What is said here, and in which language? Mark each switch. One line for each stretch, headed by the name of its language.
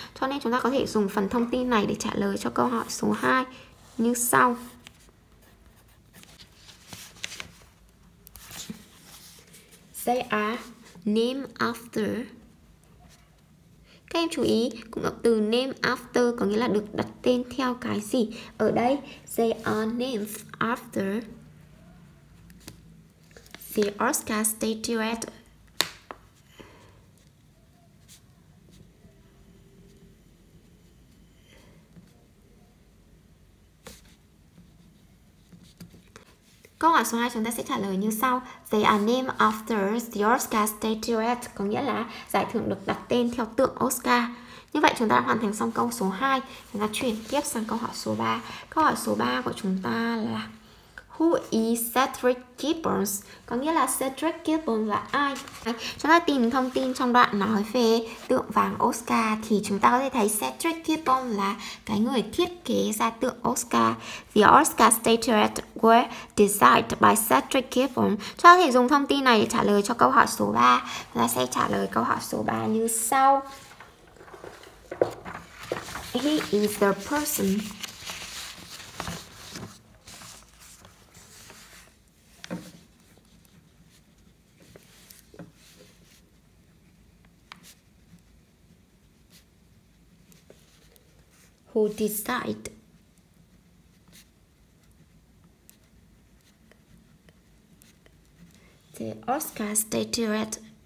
Vietnamese: Cho nên chúng ta có thể dùng phần thông tin này để trả lời cho câu hỏi số 2 như sau.
English: They are named after.
Vietnamese: Các em chú ý, cụm động từ named after có nghĩa là được đặt tên theo cái gì? Ở đây,
English: they are named after the Oscar statuette.
Vietnamese: Câu hỏi số 2 chúng ta sẽ trả lời như sau.
English: They are named after the Oscar statuette.
Vietnamese: Có nghĩa là giải thưởng được đặt tên theo tượng Oscar. Như vậy chúng ta đã hoàn thành xong câu số 2. Chúng ta chuyển tiếp sang câu hỏi số 3. Câu hỏi số 3 của chúng ta là
English: Who is Cedric Gibbons?
Vietnamese: Có nghĩa là Cedric Gibbons là ai? Chúng ta tìm thông tin trong đoạn nói về tượng vàng Oscar thì chúng ta có thể thấy Cedric Gibbons là cái người thiết kế ra tượng Oscar.
English: The Oscar statuette were designed by Cedric Gibbons.
Vietnamese: Chúng ta có thể dùng thông tin này để trả lời cho câu hỏi số 3. Chúng ta sẽ trả lời câu hỏi số 3 như sau.
English: He is the person who decide the Oscar statuette